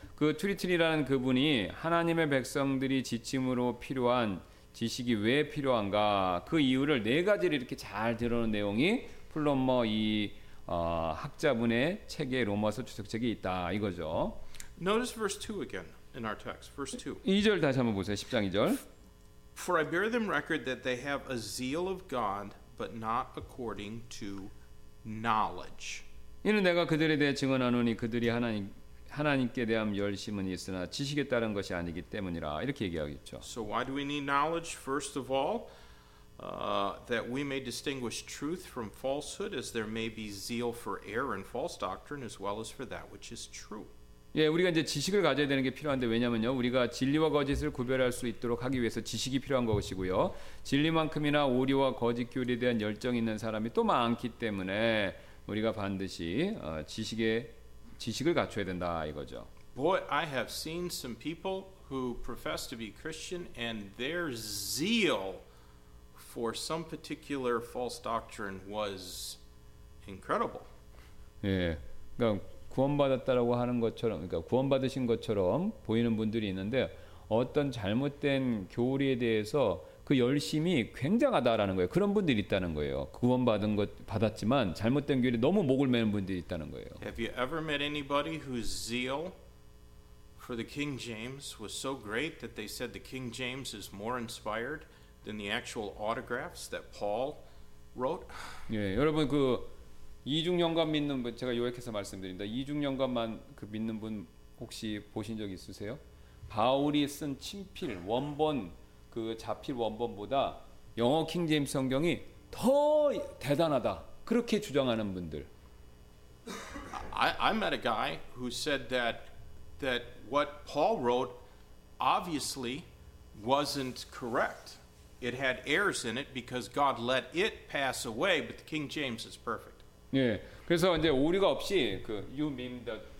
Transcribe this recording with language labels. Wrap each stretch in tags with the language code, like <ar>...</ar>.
<ko>그 트리튼이라는 그분이 하나님의 백성들이 지침으로 필요한 지식이 왜 필요한가 그 이유를 네 가지를 이렇게 잘 드러낸 내용이 플럼머 이 학자분의 책에 로마서 주석책에 있다 이거죠.</ko> <en>Notice verse 2 again in our text. Verse 2.</en> <ko>2절 다시 한번 보세요. 10장 2절.</ko> <en>For I bear them record that they have a zeal of God, but not according to knowledge.</en> <ko>이는 내가 그들에 대해 증언하노니 그들이 하나님께 대한 열심은 있으나 지식에 따른 것이 아니기 때문이라 이렇게 얘기하겠죠.</ko> <en>So why do we need knowledge? First of all, that we may distinguish truth from falsehood, as there may be zeal for error and false doctrine, as well as for that which is true.</en> <ko>예, 우리가 이제 지식을 가져야 되는 게 필요한데 왜냐면요. 우리가 진리와 거짓을 구별할 수 있도록 하기 위해서 지식이 필요한 것이고요. 진리만큼이나 오류와 거짓 교리에 대한 열정이 있는 사람이 또 많기 때문에 우리가 반드시 지식을 갖춰야 된다 이거죠.</ko> <en>Boy, I have seen some people who profess to be Christian and their zeal for some particular false doctrine was incredible.</en> <ko>예. 그러니까 구원받았다라고 하는 것처럼 그러니까 구원받으신 것처럼 보이는 분들이 있는데 어떤 잘못된 교리에 대해서 그 열심이 굉장하다라는 거예요. 그런 분들이 있다는 거예요. 구원받은 것 받았지만 잘못된 교리에 너무 목을 매는 분들이 있다는 거예요.</ko> <en>Have you ever met anybody whose zeal for the King James was so great that they said the King James is more inspired than the actual autographs that Paul wrote?</en> <ko>예, 여러분 그 이중 영감 믿는 분 제가 요약해서 말씀드립니다. 이중 영감만 그 믿는 분 혹시 보신 적 있으세요? 바울이 쓴 침필 원본 그 자필 원본보다 영어 킹제임스 성경이 더 대단하다. 그렇게 주장하는 분들.</ko> <en>I met a guy who said that what Paul wrote obviously wasn't correct. It had errors in it because God let it pass away, but the King James is perfect.</en> <ko>예, 그래서 이제 오류가 없이 그</ko> <en>you mean the</en>